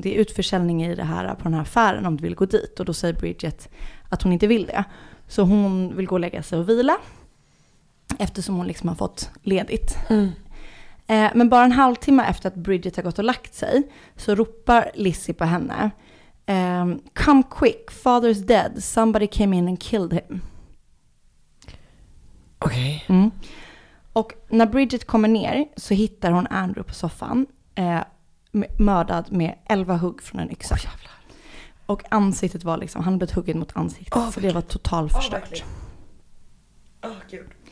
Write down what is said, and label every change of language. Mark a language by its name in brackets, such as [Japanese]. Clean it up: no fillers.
[Swedish] Det är utförsäljning i det här, på den här affären om du vill gå dit. Och då säger Bridget att hon inte vill det. Så hon vill gå och lägga sig och vila. Eftersom hon liksom har fått ledigt. Mm. Men bara en halvtimme efter att Bridget har gått och lagt sig så ropar Lizzie på henne. [English] Come quick, father's dead. Somebody came in and killed him. [Swedish] Okej. [English] Okay. Mm. [Swedish] Och när Bridget kommer ner så hittar hon Andrew på soffan. Mördad med 11 hugg från en yxa. Oh, jävlar. Och ansiktet var liksom, han hade blivit huggit mot ansiktet. Oh, för det var totalt förstört. Åh, oh, gud.